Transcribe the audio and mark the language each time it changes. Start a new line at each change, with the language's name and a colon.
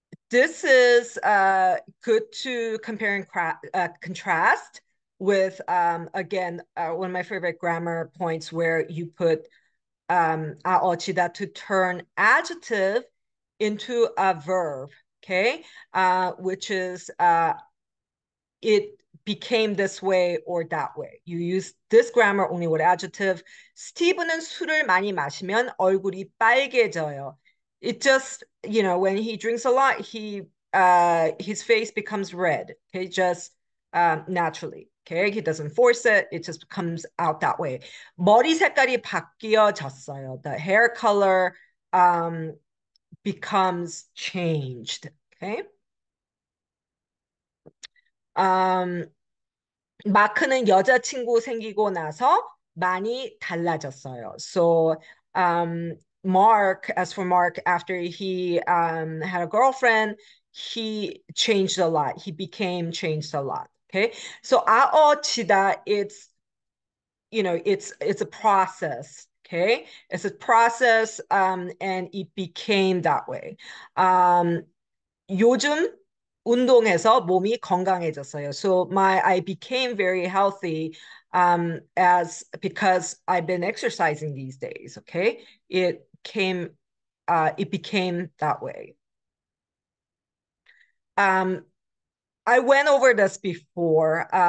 English: This is good to compare and contrast with, again, one of my favorite grammar points where you put 아어치다 to turn adjective into a verb, okay? Which is, it became this way or that way. You use this grammar only with adjective.
Korean: 스티브는 술을 많이 마시면 얼굴이 빨개져요.
English: It just, you know, when he drinks a lot, he his face becomes red. Okay, just naturally. Okay, he doesn't force it. It just comes out that way.
Korean: 머리 색깔이 바뀌어졌어요.
English: The hair color becomes changed. Okay.
Korean: 마크는 여자친구 생기고 나서 많이 달라졌어요.
English: So, Mark, as for Mark, after he had a girlfriend, he changed a lot. He became changed a lot. Okay. So 아어치다, it's, you know, it's a process. Okay. It's a process. And it became that way.
Korean: 요즘 운동해서 몸이 건강해졌어요.
English: So I became very healthy because I've been exercising these days. Okay. It became that way. I went over this before.